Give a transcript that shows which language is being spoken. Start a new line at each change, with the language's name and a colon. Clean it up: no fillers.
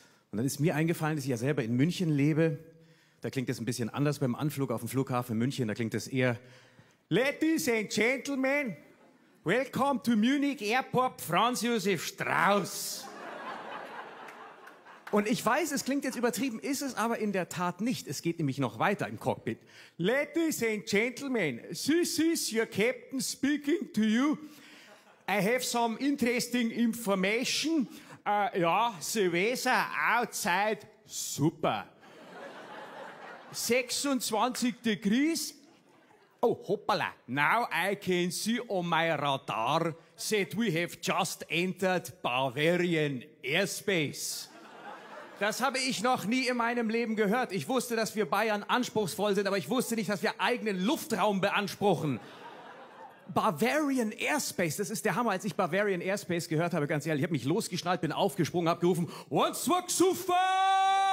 German: Und dann ist mir eingefallen, dass ich ja selber in München lebe. Da klingt es ein bisschen anders beim Anflug auf dem Flughafen in München. Da klingt es eher,
English: Ladies and Gentlemen, welcome to Munich Airport, Franz Josef Strauß.
German: Und ich weiß, es klingt jetzt übertrieben, ist es aber in der Tat nicht. Es geht nämlich noch weiter im Cockpit.
English: Ladies and Gentlemen, this is your captain speaking to you. I have some interesting information.
German: Ja, Sie wissen, outside, super.
English: 26 degrees. Oh, hoppala. Now I can see on my radar that we have just entered Bavarian airspace.
German: Das habe ich noch nie in meinem Leben gehört. Ich wusste, dass wir Bayern anspruchsvoll sind, aber ich wusste nicht, dass wir eigenen Luftraum beanspruchen. Bavarian Airspace, das ist der Hammer. Als ich Bavarian Airspace gehört habe, ganz ehrlich, ich habe mich losgeschnallt, bin aufgesprungen, habe gerufen,
English: what's work so far?